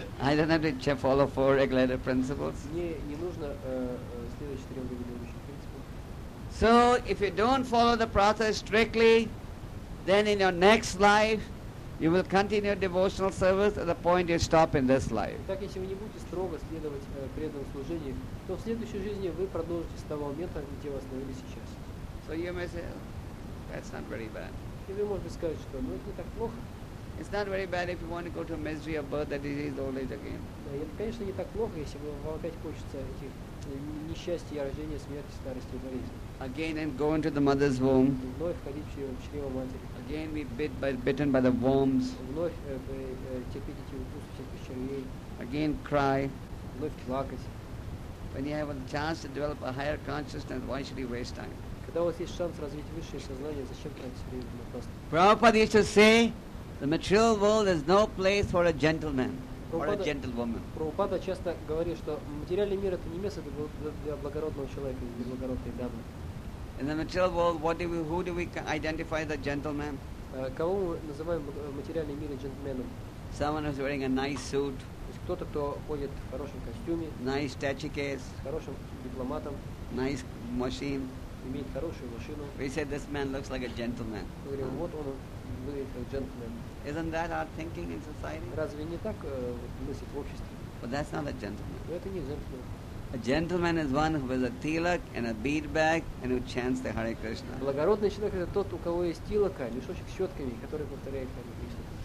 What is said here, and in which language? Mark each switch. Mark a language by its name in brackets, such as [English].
[English] I don't have to follow four regulative principles. [Russian] Мне не нужно следовать четырем регулирующим принципам. [English] So if you don't follow the process strictly, then in your next life you will continue devotional service at the point you stop in this life. [Russian] Так если вы не будете строго следовать преданному служению, то в следующей жизни вы продолжите с того момента, где вы остановились сейчас. [English] So you may say, that's not very bad. [Russian] Или можно сказать, что это не так плохо. [English] It's not very bad if you want to go to misery of birth, that disease, old age again. [Russian] Да, это, конечно, не так плохо, если вам опять хочется этих несчастья, рождения, смерти, старости и болезни. [English] Again and go into the mother's womb. [Russian] Вновь входить в чрево матери. [English] Again be bitten by the worms. [Russian] Вновь терпеть эти укусы всех червей. [English] Again cry. [Russian] Вновь плакать. [English] When you have a chance to develop a higher consciousness, why should you waste time? [Russian] Когда у вас есть шанс развить высшее сознание, зачем тратить время на просто? [English] Prabhupada used to say, the material world is no place for a gentleman or a gentlewoman. [Russian] Prabhupada часто говорит, что материальный мир это не место для благородного человека или благородной дамы. [English] In the material world, who do we identify as a gentleman? [Russian] кого мы называем в материальном мире джентльменом? [English] Someone who's wearing a nice suit. [Russian] Кто-то, кто ходит в хорошем костюме. [English] Nice attache case. [Russian] С хорошим дипломатом. [English] Nice machine. [Russian] Имеет хорошую машину. [English] We said this man looks like a gentleman. [Russian] Мы говорим, вот он выглядит как джентльмен. [English] Isn't that our thinking in society? [Russian] Разве не так мыслит в обществе? [English] But that's not a gentleman. [Russian] Но это не джентльмен. [English] A gentleman is one who has a tilak and a bead bag and who chants the Hare Krishna. [Russian] Благородный человек это тот, у кого есть тилака, мешочек с щетками, который повторяет Hare Krishna.